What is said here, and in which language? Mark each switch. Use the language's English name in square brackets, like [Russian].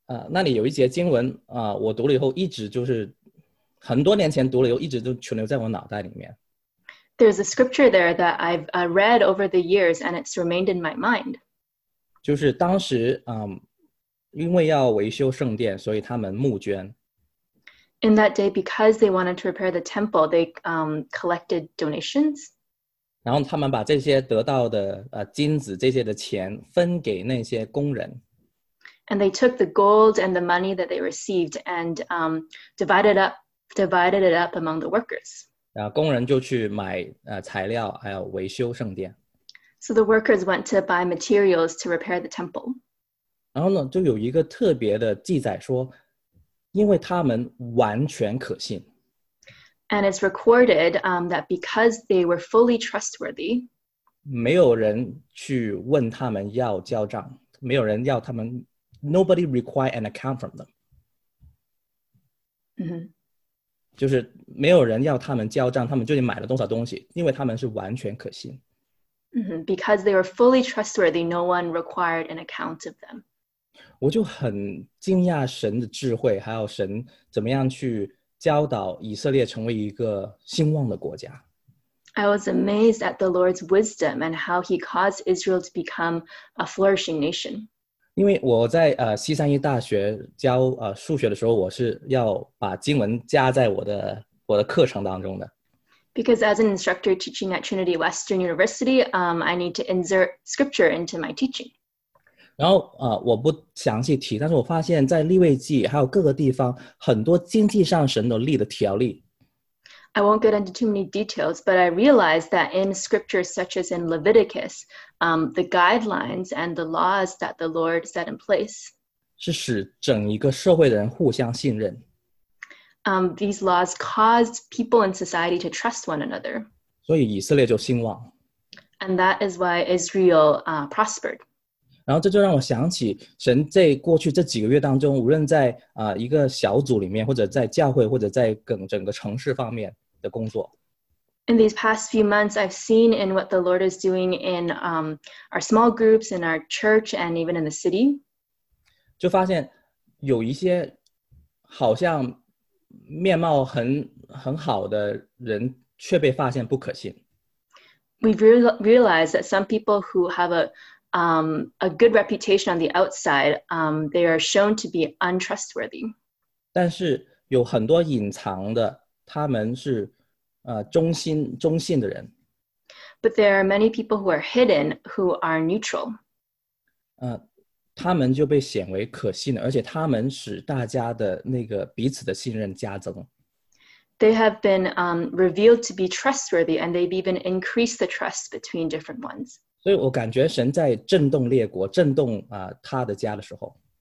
[Chinese] 那里有一节经文，我读了以后一直就是很多年前读了以后一直都存留在我脑袋里面。 [English] There's a scripture there that I've read over the years and it's remained in my mind. [Chinese] 就是当时因为要维修圣殿所以他们募捐。 [English] In that day, because they wanted to repair the temple, they collected donations. [Chinese] 然后他们把这些得到的金子这些的钱分给那些工人。 [English] And they took the gold and the money that they received and divided it up among the workers. [Chinese] 工人就去买材料还有维修圣殿。 [English] So the workers went to buy materials to repair the temple. [Chinese] 然后呢就有一个特别的记载说因为他们完全可信。 [English] And it's recorded that because they were fully trustworthy, [Chinese] 没有人去问他们要交账，没有人要他们， [English] nobody required an account from them. 嗯哼。 [Chinese] 就是没有人要他们交账，他们究竟买了多少东西，因为他们是完全可信。 Mm-hmm. [English] Because they were fully trustworthy, no one required an account of them. [Chinese] 我就很惊讶神的智慧，还有神怎么样去教导以色列成为一个兴旺的国家。 [English] I was amazed at the Lord's wisdom and how he caused Israel to become a flourishing nation. [Chinese] 因为我在西三一大学教数学的时候，我是要把经文加在我的课程当中的。 [English] Because as an instructor teaching at Trinity Western University, I need to insert scripture into my teaching. [Chinese] 然后我不详细提，但是我发现在利未记还有各个地方，很多经济上神都立的条例。 [English] I won't get into too many details, but I realized that in scriptures such as in Leviticus, the guidelines and the laws that the Lord set in place [Chinese] 是使整一个社会的人互相信任。 [English] These laws caused people in society to trust one another. [Chinese] 所以以色列就兴旺。 [English] And that is why Israel prospered. [Chinese] 然后这就让我想起神在过去这几个月当中，无论在一个小组里面，或者在教会，或者在整个城市方面的工作。 [English] In these past few months, I've seen in what the Lord is doing in our small groups, in our church, and even in the city. [Chinese] 就发现有一些好像面貌很好的人却被发现不可信。 [English] We've realized that some people who have a good reputation on the outside, they are shown to be untrustworthy. [Chinese] 但是有很多隐藏的，他们是忠信的人。 [English] But there are many people who are hidden who are neutral. [Chinese] 他们就被显为可信的，而且他们使大家的那个彼此的信任加增。 [English] They have been revealed to be trustworthy, and they've even increased the trust between different ones. [Chinese] 所以我感觉神在震动列国，震动他的家的时候。